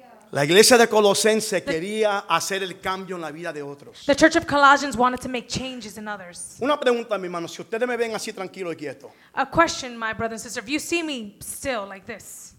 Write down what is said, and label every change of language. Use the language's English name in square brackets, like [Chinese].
[Spanish] La iglesia de Colosense quería hacer el cambio en la vida de otros. [English] The Church of Colossians wanted to make changes in others. [Spanish] Una pregunta, mi hermano, si ustedes me ven así tranquilo y quieto. [English] A question, my brother and sister, if you see me still like this.